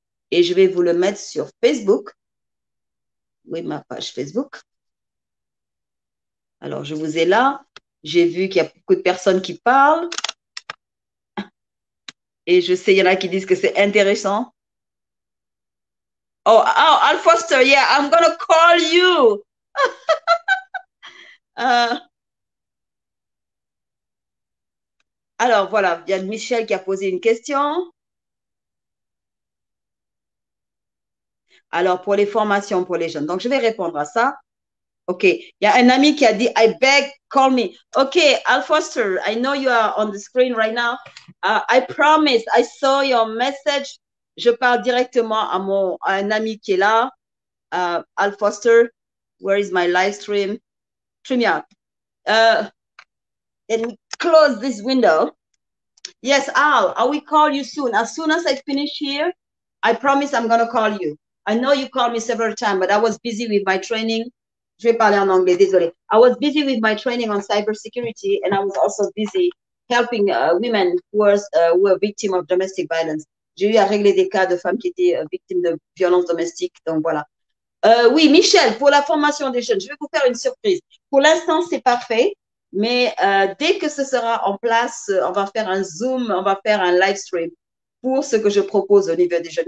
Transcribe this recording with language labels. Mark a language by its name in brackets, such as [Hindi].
[French] Et je vais vous le mettre sur Facebook. Oui, ma page Facebook. Alors, je vous ai là. J'ai vu qu'il y a beaucoup de personnes qui parlent. Et je sais, il y en a qui disent que c'est intéressant. [English] Oh, Al Foster, yeah, I'm gonna call you. [French] Alors, voilà, il y a Michel qui a posé une question. Alors, pour les formations pour les jeunes. Donc, je vais répondre à ça. OK. Il y a un ami qui a dit, [English] I beg, call me. OK, Al Foster, I know you are on the screen right now. I promise, I saw your message. [French] Je parle directement à un ami qui est là. [English] Al Foster, where is my live stream? StreamYard. Let me close this window. Yes, Al, I will call you soon. As soon as I finish here, I promise I'm going to call you. I know you called me several times, but I was busy with my training. [French] Je vais parler en anglais, désolé. [English] I was busy with my training on cybersecurity and I was also busy helping women who were victims of domestic violence. [French] J'ai eu à régler des cas de femmes qui étaient victimes de violences domestiques. Donc voilà. Oui, Michel, pour la formation des jeunes, je vais vous faire une surprise. Pour l'instant, c'est parfait, mais dès que ce sera en place, on va faire un Zoom, on va faire un live stream pour ce que je propose au niveau des jeunes.